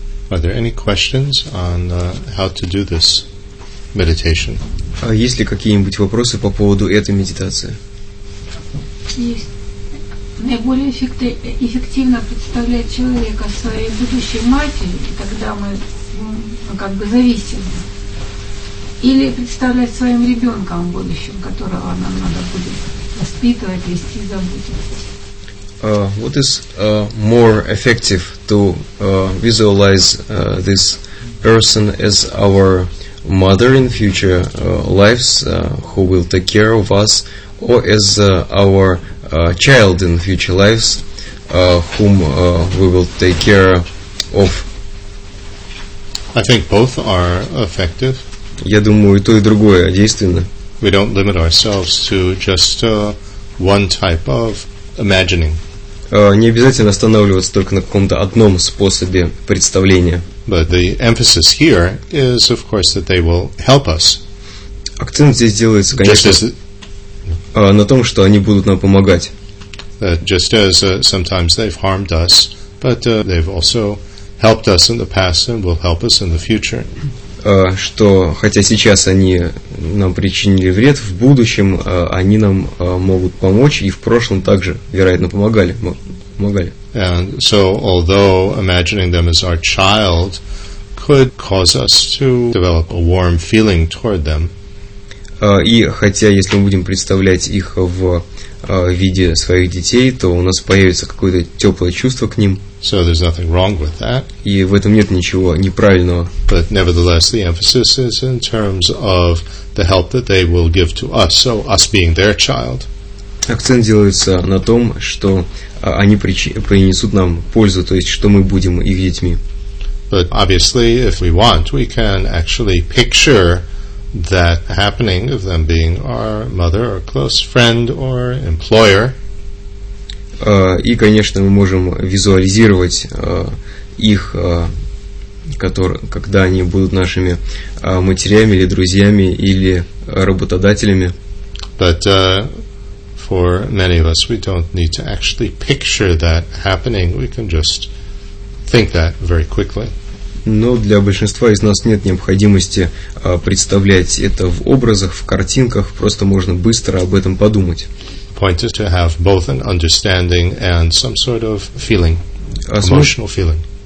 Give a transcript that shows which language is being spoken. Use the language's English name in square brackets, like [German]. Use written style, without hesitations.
[English] Are there any questions on how to do this meditation? [Russian] А есть ли какие-нибудь вопросы по поводу этой медитации? Есть. Наиболее эффективно представляет человека своей будущей матерью, когда мы как бы зависим. Или представлять своим ребенком в будущем, которого нам надо будет воспитывать, вести, заботиться. [English] What is more effective to visualize this person as our mother in future lives, who will take care of us, or as our child in future lives, whom we will take care of? I think both are effective. [Russian] Я думаю, и то, и другое действенно. [English] We don't limit ourselves to just one type of imagining. [Russian] Не обязательно останавливаться только на каком-то одном способе представления. [English] But the emphasis here is, of course, that they will help us. [Russian] Акцент здесь делается, конечно, на том, что они будут нам помогать. [English] Just as sometimes they've harmed us, but they've also helped us in the past and will help us in the future. [Russian] Что хотя сейчас они нам причинили вред, в будущем они нам могут помочь, и в прошлом также, вероятно, помогали. [English] And so, although imagining them as our child could cause us to develop a warm feeling toward them, [Russian] и хотя если мы будем представлять их в виде своих детей, то у нас появится какое-то теплое чувство к ним. [English] So there's nothing wrong with that. [Russian] И в этом нет ничего неправильного. [English] But nevertheless, the emphasis is in terms of the help that they will give to us, so us being their child. [Russian] Акцент делается на том, что они принесут нам пользу, то есть что мы будем их детьми. [English] But obviously, if we want, we can actually picture that happening of them being our mother or close friend or employer. [Russian] И, конечно, мы можем визуализировать их, когда они будут нашими матерями или друзьями или работодателями. [English] But for many of us, we don't need to actually picture that happening. We can just think that very quickly. [Russian] Но для большинства из нас нет необходимости представлять это в образах, в картинках, просто можно быстро об этом подумать. [English] Point is to have both an understanding and some sort of feeling, emotional feeling.